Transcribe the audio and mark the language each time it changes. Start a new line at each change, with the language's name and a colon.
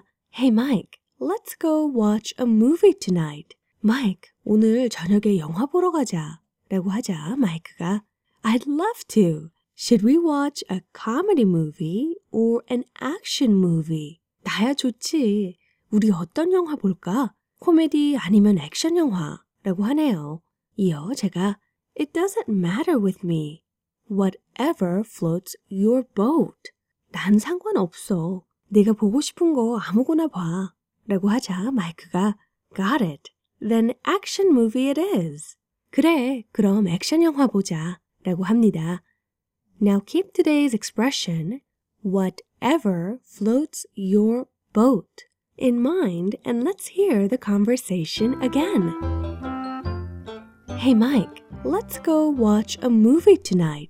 English: Hey Mike, let's go watch a movie tonight.
Korean: Mike, 오늘 저녁에 영화 보러 가자 라고 하자 마이크가
English: I'd love to. Should we watch a comedy movie or an action movie?
Korean: 나야 좋지. 우리 어떤 영화 볼까? 코미디 아니면 액션 영화 라고 하네요. 이어 제가
English: It doesn't matter with me. Whatever floats your boat.
Korean: 난 상관없어. 네가 보고 싶은 거 아무거나 봐. 라고 하자 마이크가
English: Got it. Then action movie it is.
Korean: 그래, 그럼 액션 영화 보자. 라고 합니다.
English: Now keep today's expression, whatever floats your boat, in mind and let's hear the conversation again. Hey Mike, let's go watch a movie tonight.